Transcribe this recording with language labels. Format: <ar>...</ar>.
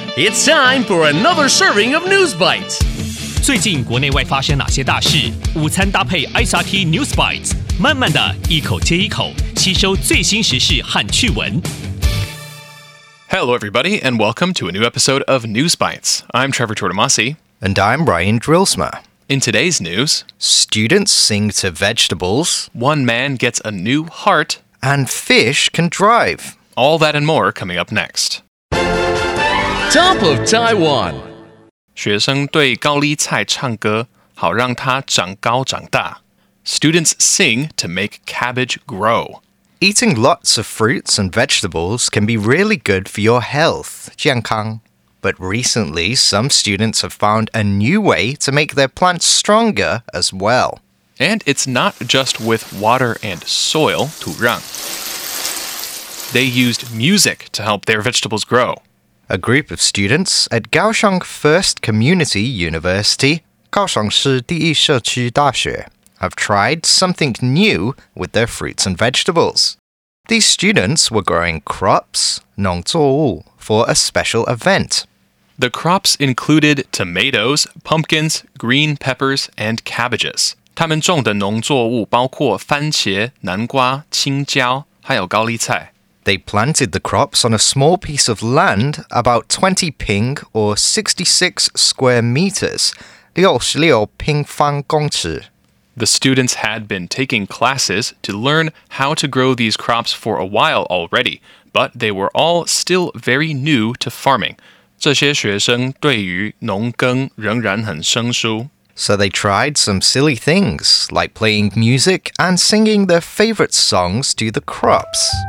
<en>It's time for another serving of News Bites.</en> <zh>最近国内外发生哪些大事？午餐搭配 SRT News Bites， 慢慢的一口接一口，吸收最新时事和趣闻。</zh> <en>Hello, everybody, and welcome to a new episode of News Bites. I'm Trevor Tortomasi. And I'm Ryan Drilsma. In today's news, students sing to vegetables, one man gets a new heart, and fish can drive. All that and more coming up next. Top of Taiwan.</en> <zh>学生对高丽菜唱歌，好让它长高长大。</zh> <en>Students sing to make cabbage grow. Eating lots of fruits and vegetables can be really good for your health, 健康. But recently, some students have found a new way to make their plants stronger as well. And it's not just with water and soil, 土壤. They used music to help their vegetables grow. A group of students at Kaohsiung First Community University, 高雄市第一社区大学,have tried something new with their fruits and vegetables. These students were growing crops, 农作物, for a special event. The crops included tomatoes, pumpkins, green peppers, and cabbages.</en> <zh>他们种的农作物包括番茄、南瓜、青椒，还有高丽菜。</zh> <en>They planted the crops on a small piece of land, about 20 ping or 66 square meters, 66平方公尺。 The students had been taking classes to learn how to grow these crops for a while already, but they were all still very new to farming.</en> <zh>这些学生对于农耕仍然很生疏。</zh> <en>So they tried some silly things, like playing music and singing their favorite songs to the crops.</en>